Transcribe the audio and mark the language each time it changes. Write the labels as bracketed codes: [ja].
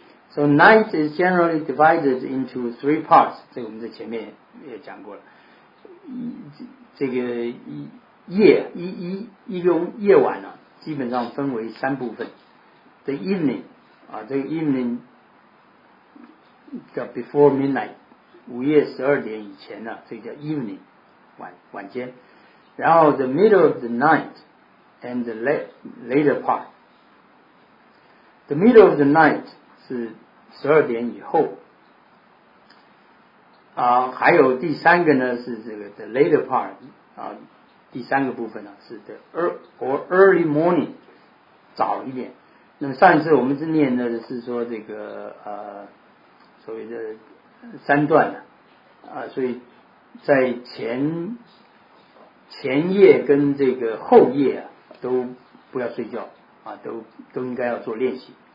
[en] So night is generally divided into three parts. [zh] 这个我们在前面也讲过了。这个夜晚啊，基本上分为三部分。 The evening 啊，这个 evening 叫 before midnight，午夜十二点以前呢，这个叫 evening， 晚间。 [en] 然后 the middle of the night and the later part。 The middle of the night 是十二点以后。 [zh] 还有第三个呢是这个 the later part，第三个部分呢是 the early morning，早一点。那么上一次我们是念的是说这个所谓的三段所以在前夜跟这个后夜啊都不要睡觉啊，都应该要做练习。